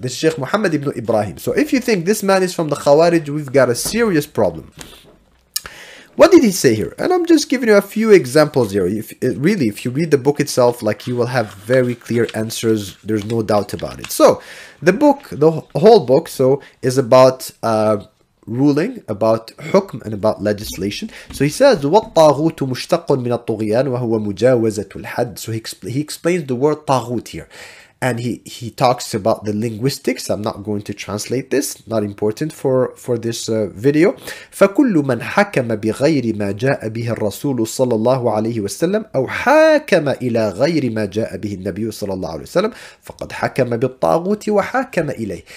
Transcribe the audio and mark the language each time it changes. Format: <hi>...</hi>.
<en>This is Sheikh Muhammad Ibn Ibrahim. So if you think this man is from the Khawarij, we've got a serious problem. What did he say here? And I'm just giving you a few examples here. If you read the book itself, like, you will have very clear answers. There's no doubt about it. So the book, the whole book, so is about ruling, about hukm, and about legislation. So he says,</en> <ar>وَالطَّاغُوتُ مُشْتَقٌ مِنَ الطُّغِيَانِ وَهُوَ مُجَاوَزَةُ الْحَدِ.</ar> <en>So he explains the word طَاغُوت here. And he talks about the linguistics. I'm not going to translate this. Not important for this video.</en> <ar>فَكُلُّ مَنْ حَكَمَ بِغَيْرِ مَا جَاءَ بِهِ الرَّسُولُ صَلَى اللَّهُ عَلَيْهِ وَسَلَّمَ أَوْ حَاكَمَ إِلَى غَيْرِ مَا جَاءَ بِهِ النَّبِيُّ صَلَى اللَّهُ عَلَيْهِ وَسَلَّمَ فَقَدْ حَكَمَ بِالطَّاغُوتِ وَحَاكَمَ إِلَيْهِ.</ar>